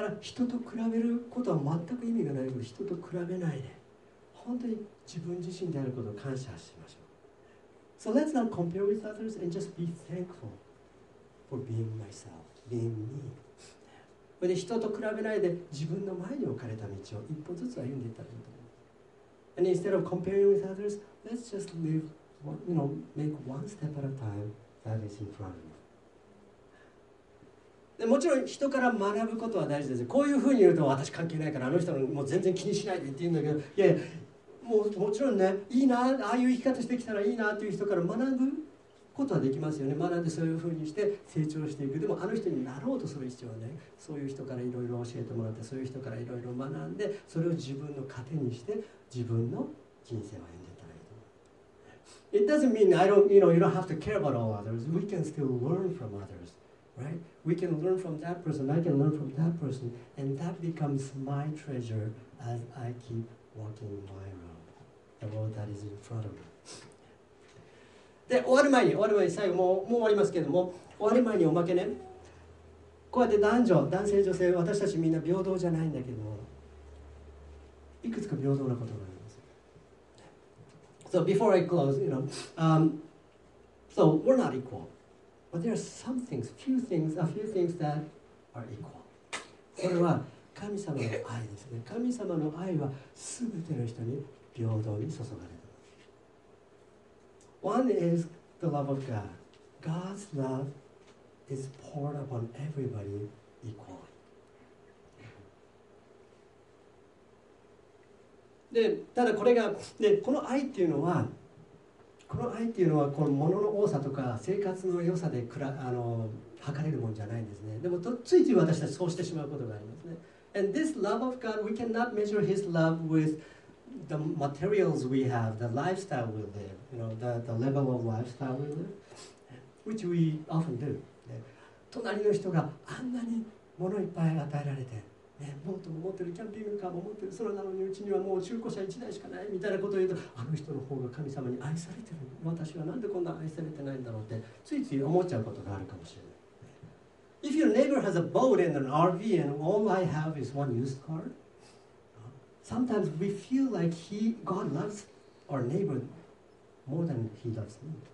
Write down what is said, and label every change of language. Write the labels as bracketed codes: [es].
[ja] だから人と比べることは全く意味がないけど人と比べないで本当に自分自身であることを感謝しましょう。 [en] So let's not compare with others and just be thankful for being myself, being me. [ja] で人と比べないで自分の前に置かれた道を一歩ずつ歩んでいったらいいと思う。 [en] And instead of comparing with others, let's just live, you know, make one step at a time that is in front of you. [ja] でもちろん人から学ぶことは大事です。こういうふうに言うと私関係ないからあの人のもう全然気にしないでって言うんだけど、いやいや、もうもちろんね、いいな、ああいう生き方してきたらいいなっていう人から学ぶことはできますよね。学んでそういう風にして成長していく。でもあの人になろうとする必要はね、そういう人からいろいろ教えてもらって、そういう人からいろいろ学んで、それを自分の糧にして自分の人生を歩んでいったらいいと思う。 [en] It doesn't mean I don't, you know, you don't have to care about all others. We can still learn from others, right? We can learn from that person. I can learn from that person, and that becomes my treasure as I keep walking my road, the road that is in front of me. [ja] で終わる前に、終わる前に最後もう終わりますけれども、終わる前におまけね、こうやって男女、男性女性、私たちみんな平等じゃないんだけども、いくつか平等なことがあります。 [en] So before I close, you know, so we're not equal, but there are some things, a few things that are equal. [ja] それは神様の愛ですね。神様の愛は全ての人に平等に注がれる。 [en] One is the love of God. God's love is poured upon everybody equally. [ja] で、ただこれが、で、この愛っていうのは、この愛っていうのは、この物の多さとか生活の良さで測れるものじゃないんですね。でも、ついつい私たちそうしてしまうことがありますね。 [en] And this love of God, we cannot measure His love with the materials we have, the lifestyle we live, you know, the level of lifestyle we live, which we often do. [ja] 隣の人があんなに物いっぱい与えられて、ね、ボートも持ってる、キャンピングカーも持ってる、それなのにうちにはもう中古車1台しかないみたいなことを言うと、あの人の方が神様に愛されてる、私はなんでこんな愛されてないんだろうってついつい思っちゃうことがあるかもしれない。 [en] If your neighbor has a boat and an RV and all I have is one used car,Sometimes we feel like God loves our neighbor more than He loves me.